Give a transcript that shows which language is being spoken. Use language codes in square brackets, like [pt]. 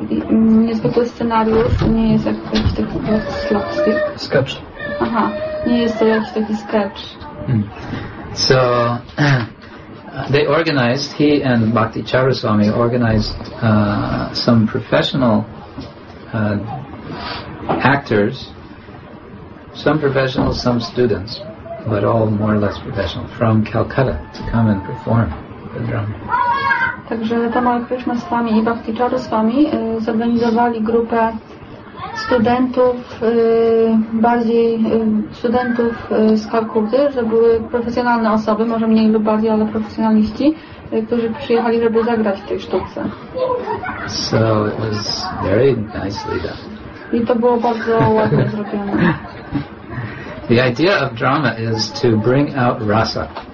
[pl] Niezwykły scenariusz, nie jest jakiś taki [en] sketch. [pl] Aha, nie jest to jakiś taki sketch. [en] So they organized, he and Bhakti Charaswami organized some professional actors, some professionals, some students, but all more or less professional, from Calcutta to come and perform the drama. [pl] Także Tamal Krishna Swami i Bhakti Charaswami zorganizowali grupę studentów bardziej studentów z Kalkuty, że były profesjonalne osoby, może mniej lub bardziej, ale profesjonaliści, którzy przyjechali, żeby zagrać w tej sztuce. [en] So it was very nicely done. [pl] I to było bardzo ładnie zrobione. [en] The idea of drama is to bring out rasa.